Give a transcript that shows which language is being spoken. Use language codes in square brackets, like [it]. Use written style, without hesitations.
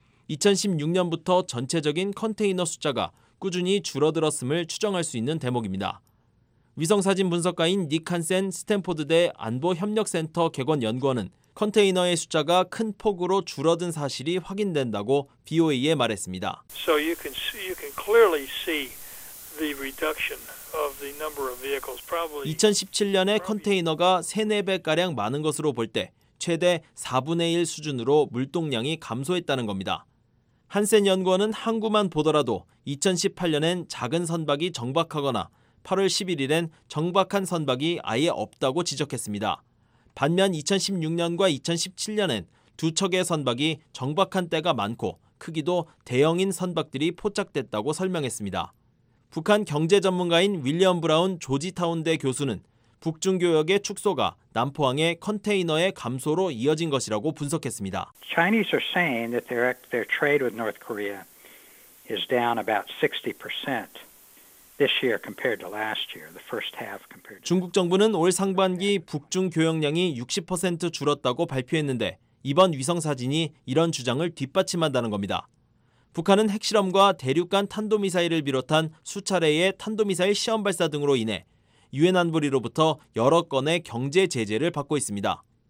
[ko] 2016년부터 전체적인 컨테이너 숫자가 꾸준히 줄어들었음을 추정할 수 있는 대목입니다. 위성사진 분석가인 닉 한센 스탠포드대 안보협력센터 객원 연구원은 컨테이너의 숫자가 큰 폭으로 줄어든 사실이 확인된다고 BOA에 말했습니다. [en] So you can clearly see the reduction of the number of vehicles. Probably [ko] 2017년에 컨테이너가 3, 4배가량 많은 것으로 볼 때 최대 4분의 1 수준으로 물동량이 감소했다는 겁니다. 한센 연구원은 항구만 보더라도 2018년엔 작은 선박이 정박하거나 8월 11일엔 정박한 선박이 아예 없다고 지적했습니다. 반면 2016년과 2017년엔 두 척의 선박이 정박한 때가 많고 크기도 대형인 선박들이 포착됐다고 설명했습니다. 북한 경제 전문가인 윌리엄 브라운 조지타운대 교수는 북중교역의 축소가 남포항의 컨테이너의 감소로 이어진 것이라고 분석했습니다. [en] Chinese are saying that their trade with North Korea is down about 60%. This year compared to last year, the first half compared to. [ko] 중국 정부는 올 상반기 북중 교역량이 60% 줄었다고 발표했는데 이번 위성 사진이 이런 주장을 뒷받침한다는 겁니다. 북한은 핵실험과 대륙간 탄도미사일을 비롯한 수차례의 탄도미사일 시험 발사 등으로 인해 유엔 안보리로부터 여러 건의 경제 제재를 받고 있습니다.